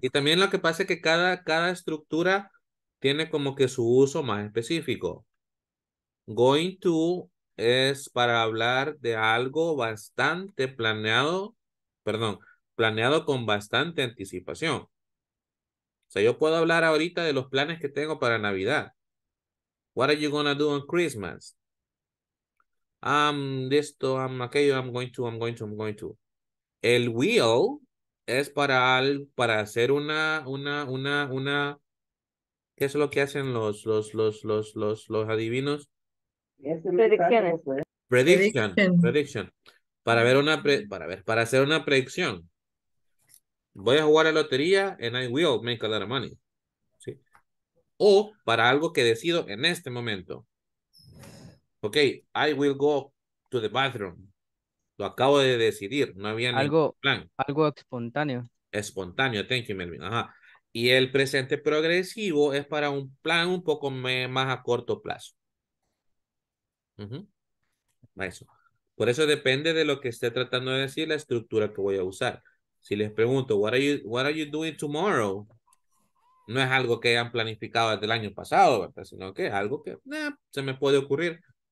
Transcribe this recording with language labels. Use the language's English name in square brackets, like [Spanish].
[Spanish] Y también lo que pasa es que cada estructura tiene como que su uso más específico. Going to es para hablar de algo bastante planeado con bastante anticipación. O sea, yo puedo hablar ahorita de los planes que tengo para Navidad. [English] What are you going to do on Christmas? I'm going to. [Spanish] El will es para hacer una, ¿qué es lo que hacen los adivinos? [English] Prediction. [Spanish] Para hacer una predicción. Voy a jugar a lotería [English] and I will make a lot of money. [Spanish] ¿Sí? O para algo que decido en este momento. [English] Ok, I will go to the bathroom. [Spanish] Lo acabo de decidir, no había ningún plan. Algo espontáneo. Espontáneo, [English] thank you, [Spanish] Melvin. Ajá. Y el presente progresivo es para un plan un poco más a corto plazo. Uh-huh. Eso. Por eso depende de lo que esté tratando de decir, la estructura que voy a usar. Si les pregunto, [English] what are you doing tomorrow? [Spanish] No es algo que hayan planificado desde el año pasado, ¿verdad? Sino que es algo que se me puede ocurrir.